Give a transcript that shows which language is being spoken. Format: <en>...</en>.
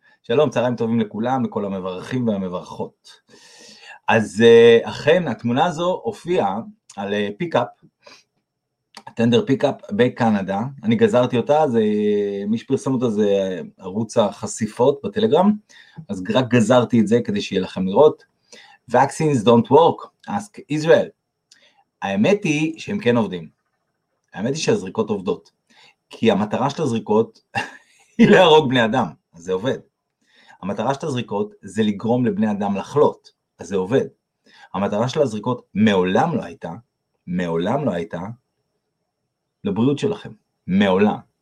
<he>שלום, צהריים טובים לכולם, לכל המברכים והמברכות. אז אכן, התמונה הזו הופיעה על פיקאפ, טנדר פיקאפ בקנדה. אני גזרתי אותה, זה, מי שפרסם אותה זה ערוץ החשיפות בטלגרם, אז רק גזרתי את זה כדי שיהיה לכם לראות.</he> <en>Vaccines don't work, ask Israel.</en> <he>האמת היא שהם כן עובדים. האמת היא שהזריקות עובדות. כי המטרה של הזריקות היא להרוג בני אדם, אז זה עובד. המטרה של הזריקות זה לגרום לבני אדם לחלות, אז זה עובד. המטרה של הזריקות מעולם לא הייתה, מעולם לא הייתה, לבריאות שלכם, מעולם.</he>